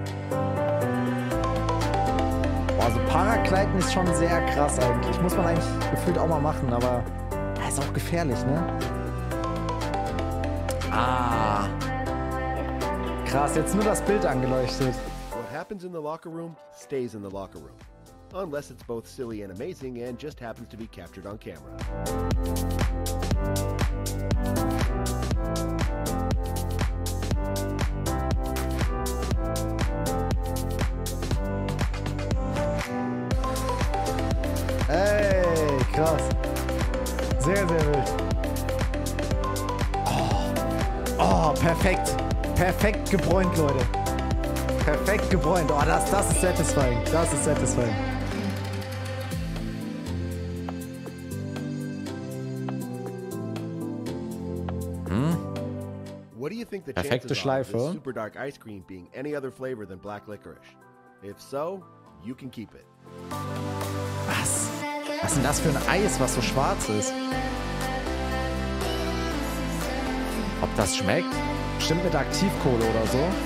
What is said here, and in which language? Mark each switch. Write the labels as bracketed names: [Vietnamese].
[German] Boah, so Paragliden ist schon sehr krass eigentlich. Muss man eigentlich gefühlt auch mal machen, aber... Das ist auch gefährlich, ne? Ah. krass, jetzt nur das Bild angeleuchtet. [English] What happens in the locker room stays in the locker room. Unless it's both silly and amazing and just happens to be captured on camera. [German] Ey, krass. Sehr, sehr wild. Oh, perfekt. Perfekt gebräunt, Leute. Perfekt gebräunt. Oh, das ist satisfying. Das ist satisfying. Perfekte Schleife. [English] Super dark ice cream being any other flavor than black licorice. If so, you can keep it. [German] Was? Was ist denn das für ein Eis, was so schwarz ist? Ob das schmeckt? Bestimmt mit Aktivkohle oder so.